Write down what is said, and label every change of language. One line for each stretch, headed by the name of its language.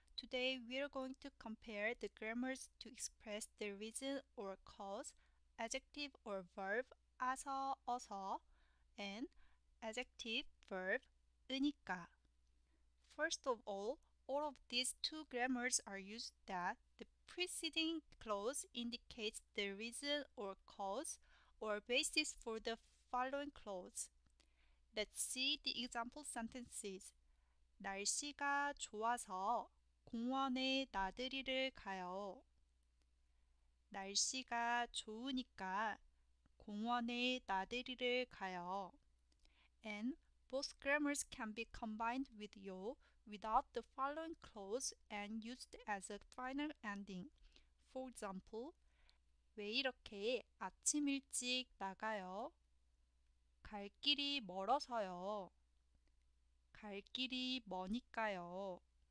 English: Today we're going to compare the grammars to express the reason or cause, adjective or verb, 아서, 어서, and adjective, verb, 으니까. First of all of these two grammars are used that the preceding clause indicates the reason or cause or basis for the following clause. Let's see the example sentences.
Korean: 날씨가 좋아서 공원에 나들이를 가요. 날씨가 좋으니까 공원에 나들이를 가요.
English: And both grammars can be combined with 요 without the following clause and used as a final ending. For example,
Korean: 왜 이렇게 아침 일찍 나가요? 갈 길이 멀어서요. 갈 길이 머니까요.